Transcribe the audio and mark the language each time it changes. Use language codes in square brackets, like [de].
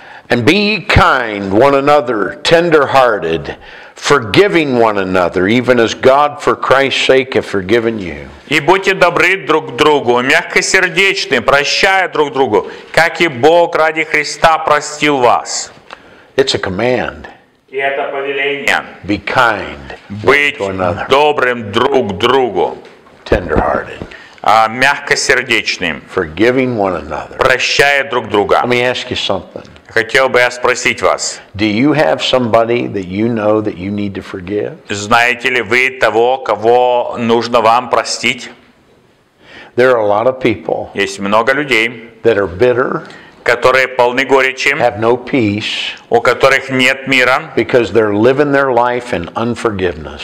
[en] And be ye kind one another, tender-hearted, forgiving one another, even as God for Christ's sake hath forgiven you. [ru] И будьте добры друг другу, мягкосердечны, прощая друг другу, как и Бог ради Христа простил вас. [en] It's a command. [ru] И это повеление. [en] Be kind. [ru] Быть добрым друг другу. [en] Tender-hearted. [ru] Мягкосердечным, [en] forgiving one another. [ru] Прощая друг друга. [en] Let me ask you something. [ru] Хотел бы я спросить вас. [en] Do you have somebody that you know that you need to forgive? [ru] Знаете ли вы того, кого нужно вам простить? [en] There are a lot of people. [ru] Есть много людей. [en] That are bitter. [ru] Которые полны горечи. [en] Have no peace. [ru] У которых нет мира. [en] Because they're living their life in unforgiveness.